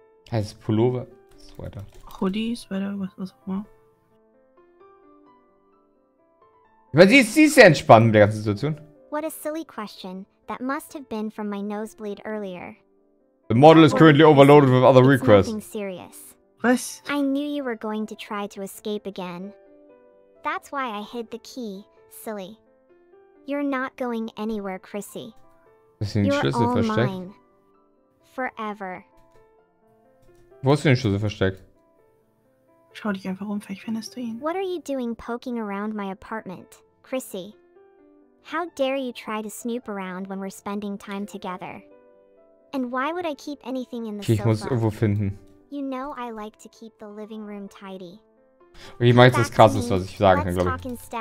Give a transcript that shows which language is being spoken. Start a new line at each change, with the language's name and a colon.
German: Heißt Pullover, Sweater. Hoodie, Sweater, was auch immer. Ich meine, sie ist sehr entspannt mit der ganzen Situation.
English: What a silly question. That must have been from my nosebleed earlier. The model is currently overloaded with other requests. Nothing serious.
German: Was?
English: I knew you were going to try to escape again. That's why I hid the key, silly. You're not going anywhere, Chrissy.
German: Ist hier ein Schlüssel versteckt?
English: Forever.
German: Wo ist denn der Schlüssel versteckt? Schau dich einfach um, vielleicht findest du ihn.
English: What are you doing poking around my apartment, Chrissy? How dare you try to snoop around when we're spending time together? And why would I keep anything in the
German: sofa? Ich muss irgendwo finden.
English: You know I like to keep the living room tidy.
German: Okay, ich meine, das krass ist, was ich sagen kann, glaube ich.